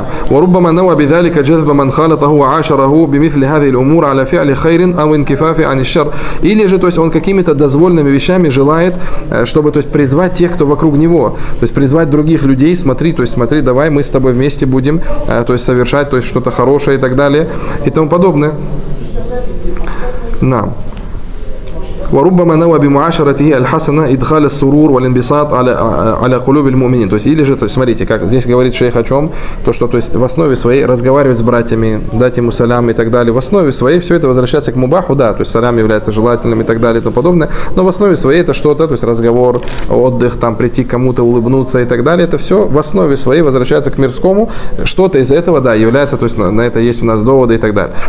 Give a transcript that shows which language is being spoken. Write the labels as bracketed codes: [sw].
[ar] وربما نوى بذلك جذب من خالطه وعاشره بمثل هذه الأمور على فعل خير أو انكفاف عن الشر. [ru] Или же, то есть он какими-то дозволенными вещами желает, чтобы, то есть призвать тех, кто вокруг него, то есть призвать других людей, смотри, давай мы с тобой вместе будем, то есть совершать, то есть что-то хорошее и так далее и тому подобное. Нам. [ar] وربما نوى بمعاشرته الحسنة إدخال السرور والانبساط على قلوب المؤمنين. [ru] То есть или же, то есть смотрите, как здесь говорит шейх о чем, то что, то есть в основе своей разговаривать с братьями, дать ему салям и так далее, в основе своей все это возвращается к мубаху, да, то есть салям является желательным и так далее и тому подобное, но в основе своей это что-то, то есть разговор, отдых, там прийти к кому-то, улыбнуться и так далее, это все в основе своей возвращается к мирскому, что-то из этого, да, является, то есть на это есть у нас доводы и так далее.